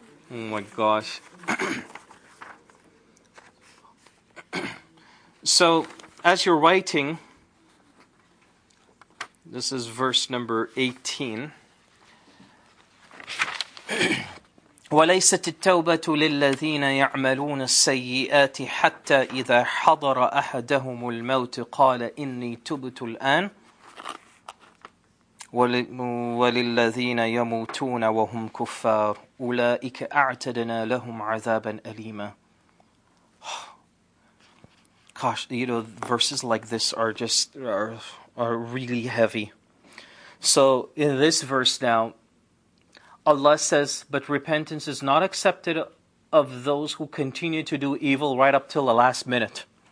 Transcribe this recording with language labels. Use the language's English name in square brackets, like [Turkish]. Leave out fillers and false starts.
[English] Oh my gosh. So, as you're writing, this is verse number 18. [Arabic] وليست التوبة للذين يعملون السيئات حتى إذا حضر أحدهم الموت قال إني تبت الآن وللذين يموتون وهم كفار أولئك أعتدنا لهم عذابا أليما. [English] Gosh, you know, verses like this are just are really heavy. So in this verse now, Allah says, but repentance is not accepted of those who continue to do evil right up till the last minute.